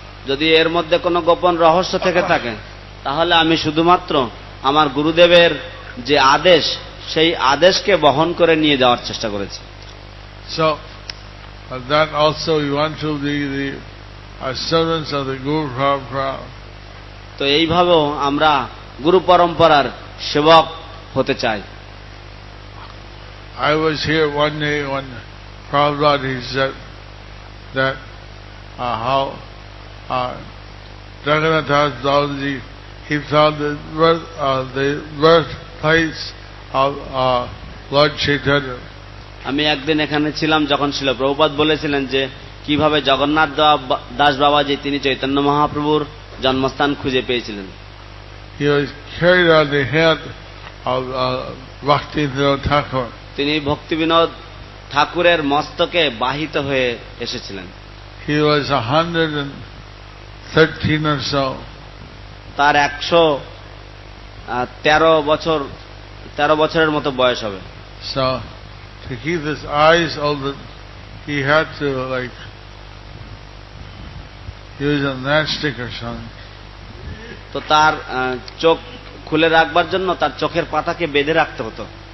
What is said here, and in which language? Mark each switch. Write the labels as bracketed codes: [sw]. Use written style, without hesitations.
[bn] যদি এর মধ্যে কোনো গোপন রহস্য থেকে থাকে তাহলে আমি শুধুমাত্র আমার গুরুদেবের যে আদেশ সেই আদেশকে বহন করে নিয়ে যাওয়ার চেষ্টা করেছি। [en] So, but that also we want to be the servants of the guru parampara. [bn] তো এইভাবেও আমরা গুরু পরম্পরার সেবক হতে চাই। [en] I was here one day when Prabhupada, he said that how Jagannath Das Babaji, he found the birthplace of Lord Chaitanya. [bn] আমি একদিন এখানে ছিলাম যখন ছিল প্রভুপাদ বলেছিলেন যে কিভাবে জগন্নাথ দাস বাবাজি তিনি চৈতন্য মহাপ্রভুর জন্মস্থান খুঁজে পেয়েছিলেন। [en] He was carried on the head of Bhaktivinoda Thakur. [bn] তিনি ভক্তিবিনোদ ঠাকুরের মস্তকে বাহিত হয়ে এসেছিলেন। [en] He was 113 or so. [bn] তার 113 বছরের মতো বয়স হবে। [en] So, to keep his eyes open, he had to like, he was a matchstick or something. [bn] তো তার চোখ খুলে রাখবার জন্য তার চোখের পাতাকে বেঁধে রাখতে হতো।